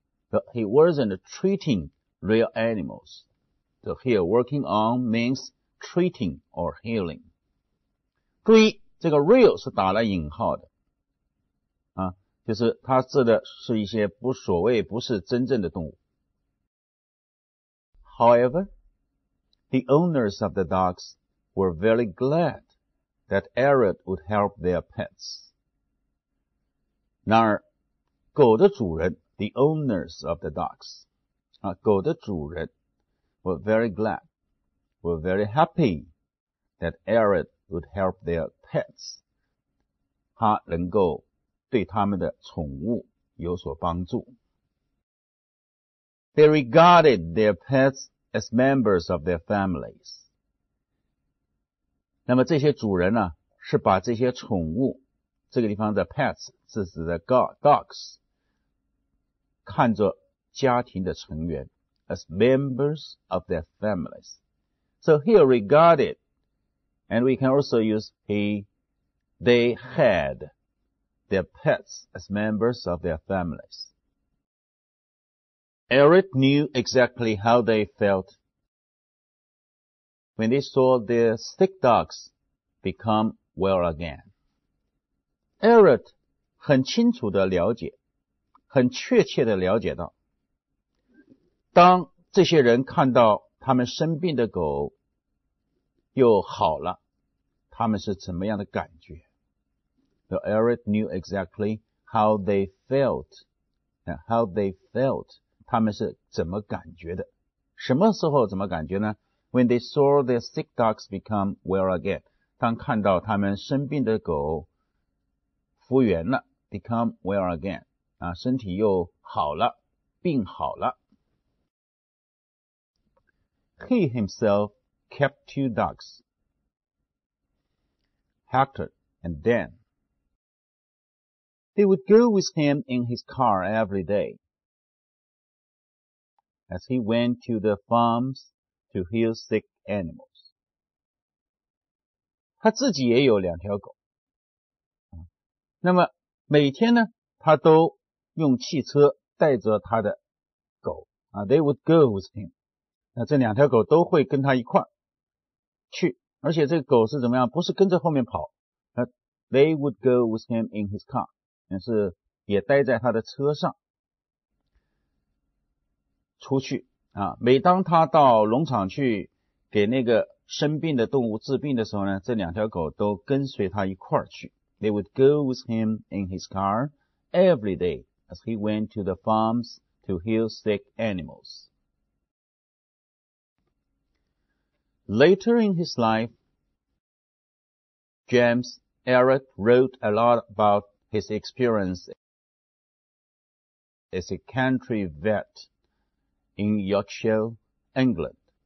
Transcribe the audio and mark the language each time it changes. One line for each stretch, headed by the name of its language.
English: But he wasn't treating real animals. So here, working on means treating or healing.
Chinese: 注意这个 real 是打了引号的。啊，就是它指的是一些不所谓不是真正的动物。
English: However, the owners of the dogs were very glad that Arad would help their pets.
Chinese: 然而狗的主人
English: the owners of the dogs,
Chinese: 啊，狗的主人
English: were very glad, were very happy that Arad would help their pets.
Chinese: 他能够对他们的宠物有所帮助。
English: They regarded their pets as members of their families.
Chinese: 那么这些主人呢，是把这些宠物，这个地方的 pets 是指的 dogs, 看作家庭的成员
English: ,as members of their families. So he regarded, and we can also use he, they had their pets as members of their families. Arad knew exactly how they felt when they saw their stick dogs become well again.
Chinese: Arad 很清楚地了解，很确切地了解到，当这些人看到他们生病的狗又好了，他们是怎么样的感觉。
English: So Arad knew exactly how they felt, and how they felt,
Chinese: 他们是怎么感觉的。什么时候怎么感觉呢？
English: When they saw their sick dogs become well again,
Chinese: 当看到他们生病的狗复原了
English: ,become well again,
Chinese: 啊，身体又好了，病好了。
English: He himself kept two dogs, Hector and Dan. They would go with him in his car every day, as he went to the farms to heal sick animals.
Chinese: 他自己也有两条狗。那么每天呢，他都用汽车带着他的狗啊
English: ，they would go with him。
Chinese: 那这两条狗都会跟他一块去，而且这个狗是怎么样？不是跟着后面跑，
English: they would go with him in his car，
Chinese: 也是也待在他的车上出去啊。每当他到农场去给那个生病的动物治病的时候呢，这两条狗都跟随他一块去。
English: They would go with him in his car every day as he went to the farms to heal sick animals. Later in his life, James Arad wrote a lot about his experience as a country vet in Yorkshire, England.